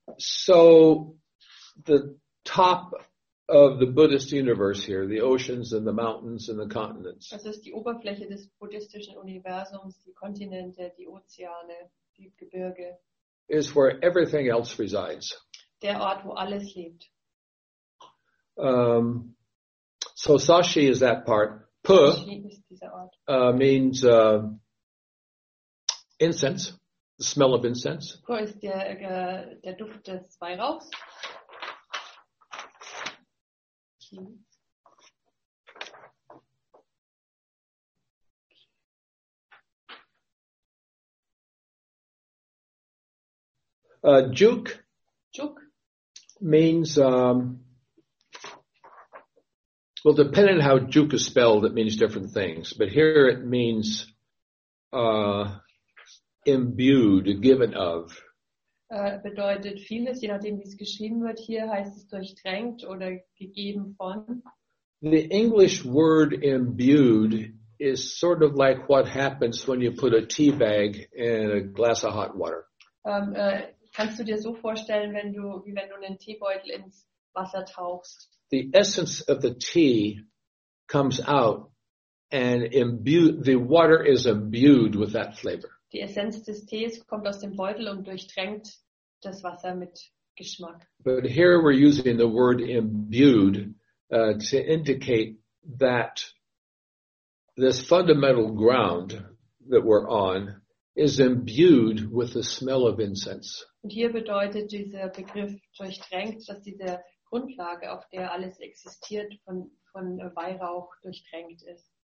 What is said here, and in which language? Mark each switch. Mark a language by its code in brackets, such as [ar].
[en] So the top of the Buddhist universe here, the oceans and the mountains and the continents. [de] Das ist die Oberfläche des buddhistischen Universums, die Kontinente, die Ozeane, die Gebirge. [en] Is where everything else resides. [de] Der Ort, wo alles lebt. [en] So Sashi is that part. Pu means incense, the smell of incense. [de] Pu ist der Duft des Weihrauchs. [en] Juk means depending on how juk is spelled, it means different things. But here it means imbued, given of. [de] Bedeutet vieles, je nachdem wie es geschrieben wird. Hier heißt es durchtränkt oder gegeben von. [en] The English word imbued is sort of like what happens when you put a tea bag in a glass of hot water. [de] Kannst du dir so vorstellen, wenn du einen Teebeutel ins Wasser tauchst? [en] The essence of the tea comes out and the water is imbued with that flavor. [de] Die Essenz des Tees kommt aus dem Beutel und durchtränkt das Wasser mit Geschmack. [en] But here we're using the word imbued to indicate that this fundamental ground that we're on is imbued with the smell of incense. [de] Und hier bedeutet dieser Begriff durchtränkt, dass diese Grundlage, auf der alles existiert, von Weihrauch durchtränkt ist.